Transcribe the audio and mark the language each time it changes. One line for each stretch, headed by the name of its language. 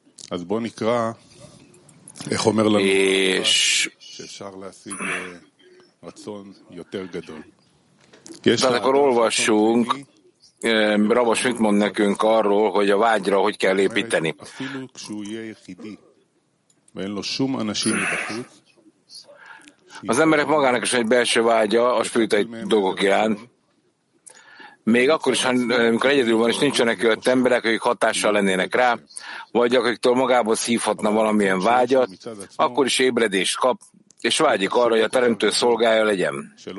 Hebrew: אז בוא נקרא איך אומר לנו שאפשר להשיג רצון יותר גדול.
Hungarian: Tehát akkor olvassunk, Rabos mit mond nekünk arról, hogy a vágyra hogy kell építeni.
Hebrew: אפילו כשהוא יהיה יחידי ואין לו שום אנשים מבחוץ.
Hungarian: Az emberek magának is egy belső vágya a spiritai dolgok iránt. Még akkor is, amikor egyedül van, és nincsenek olyan emberek, akik hatással lennének rá, vagy akiktől magából szívhatna valamilyen vágyat, akkor is ébredést kap, és vágyik arra, hogy a teremtő szolgája legyen.